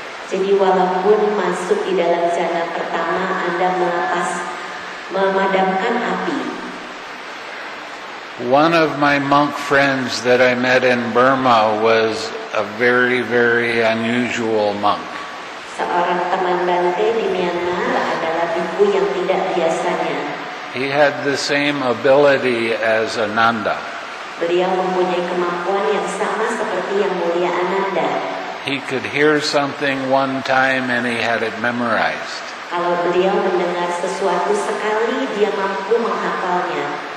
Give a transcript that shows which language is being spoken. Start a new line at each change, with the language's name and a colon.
Indonesian: Jadi walaupun masuk di dalam jhana pertama, Anda melepas, memadamkan api.
English: One of my monk friends that I met in Burma was a very, very unusual monk.
Indonesian: Seorang teman Bante di Myanmar adalah biku yang tidak biasanya.
English: He had the same ability as Ananda.
Indonesian: Beliau mempunyai kemampuan yang sama seperti Yang Mulia Ananda.
English: He could hear something one time and he had it memorized.
Indonesian: Kalau beliau mendengar sesuatu sekali, dia mampu menghafalnya.